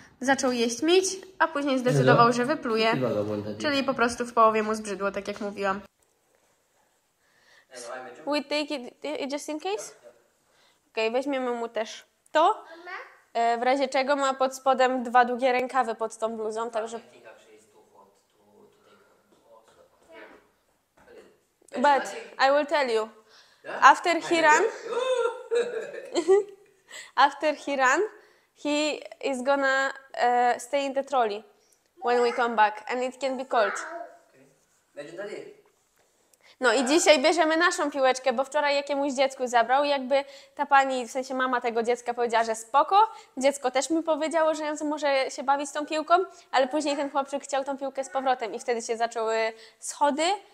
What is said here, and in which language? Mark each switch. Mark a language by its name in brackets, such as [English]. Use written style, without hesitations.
[Polish] Zaczął jeść mić, a później zdecydował, że wypluje. Czyli po prostu w połowie mu zbrzydło, tak jak mówiłam. [English] We take it just in case? Okay, [Polish] weźmiemy mu też to. W razie czego ma pod spodem dwa długie rękawy pod tą bluzą, także... [English] But I will tell you, after he ran, he is gonna stay in the trolley when we come back, and it can be cold. [Polish] No i dzisiaj bierzemy naszą piłeczkę, bo wczoraj jakiemuś dziecku zabrał, jakby ta pani, w sensie mama tego dziecka powiedziała, że spoko, dziecko też mi powiedziało, że on może się bawić tą piłką, ale później ten chłopczyk chciał tą piłkę z powrotem i wtedy się zaczęły schody.